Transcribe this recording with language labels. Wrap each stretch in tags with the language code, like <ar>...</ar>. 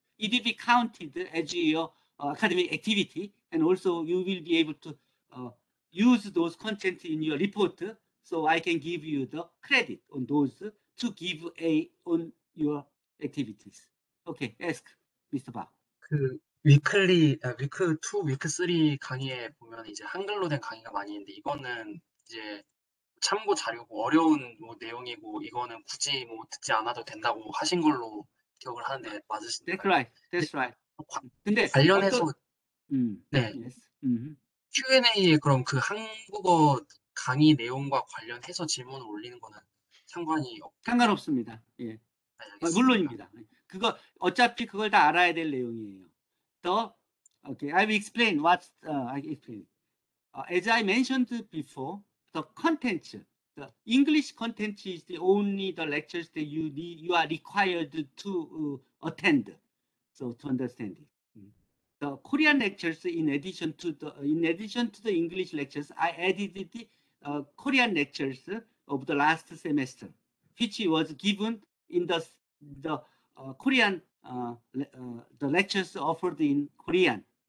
<en>It will be counted as your academic activity, and also you will be able to use those content in your report, so I can give you the credit on those to give A on your activities. Okay, ask Mr. Ba.</en> <ko>그 위클리, 위크 2, 위크 3 강의에 보면 이제 한글로 된 강의가 많이 있는데, 이거는 이제 참고 자료고 어려운 뭐 내용이고, 이거는 굳이 뭐 듣지 않아도 된다고 하신 걸로 기억을 하는데 맞으신가요?</ko> <en>That's right. That's right. 근데</en> <ko>관련해서 어떤 네.</ko> <en>yes.</en> <ko>Q&A에 그럼 그 한국어 강의 내용과 관련해서 질문을 올리는 거는 상관이 상관없습니다. 예. 없습니까? 알겠습니다. 물론입니다. 그거 어차피 그걸 다 알아야 될 내용이에요.</ko> <en>더 오케이. Okay, I will explain what I explain. As I mentioned before, the contents, the English content is the only the lectures that you need, you are required to attend. So to understand it. The Korean lectures in addition to the English lectures, I added the Korean lectures of the last semester, which was given in the Korean the lectures offered in Korean.</en>